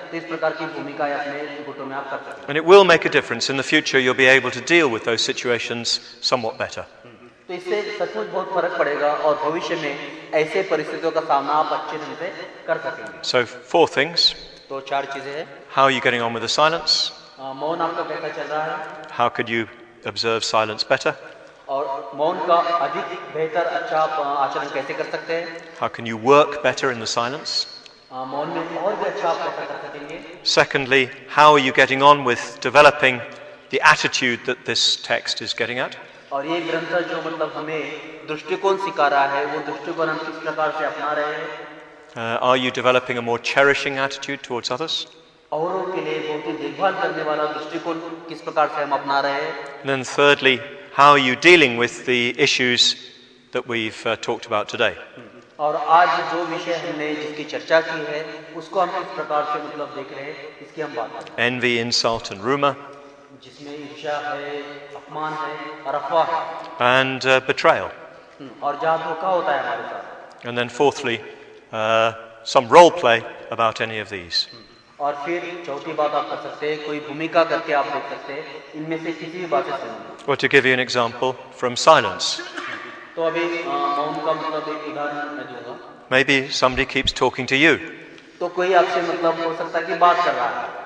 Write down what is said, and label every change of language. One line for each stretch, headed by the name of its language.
English: And it will make a difference. In the future, you'll be able to deal with those situations somewhat better.
Hindi: तो इससे सचमुच बहुत फर्क पड़ेगा और भविष्य में ऐसे परिस्थितियों का सामना आप अच्छे ढंग से कर सकेंगे.
English: So four things.
Hindi: तो चार चीजें हैं.
English: How are you getting on with the silence?
Hindi: मौन आपका कैसा चल रहा है?
English: How could you observe silence better?
Hindi: और मौन का अधिक बेहतर अच्छा आचरण कैसे कर सकते हैं?
English: How can you work better in the silence?
Hindi: मौन में और भी अच्छा आप कैसा कर सकेंगे?
English: Secondly, how are you getting on with developing the attitude that this text is getting at?
Hindi: और ये ग्रंथ जो मतलब हमें दृष्टिकोण सिखा रहा है वो दृष्टिकोण हम किस प्रकार से अपना रहे हैं?
English: Are you developing a more cherishing attitude towards others?
Hindi: औरों के लिए बहुत ही देखभाल करने वाला दृष्टिकोण किस प्रकार से हम अपना रहे हैं?
English: And then thirdly, how are you dealing with the issues that we've talked about today?
Hindi: और आज जो विषय हमने जिसकी चर्चा की है उसको हम किस प्रकार से मतलब देख रहे हैं इसकी हम बात कर रहे हैं.
English: Envy, insult and rumor.
Hindi: जिसमें ईर्ष्या है, अपमान है, और अफवाह है.
English: And betrayal.
Hindi: और जहां धोखा होता है हमारे साथ.
English: And then fourthly, some role play about any of these.
Hindi: और फिर चौथी बात आप कर सकते हैं, कोई भूमिका करके आप देख सकते हैं इनमें से किसी भी बात से.
English: Well, to give you an example from silence.
Hindi: तो अभी मौन का मतलब एक उदाहरण मैं दूंगा.
English: Maybe somebody keeps talking to you.
Hindi: तो कोई आपसे मतलब हो सकता है कि बात कर रहा है.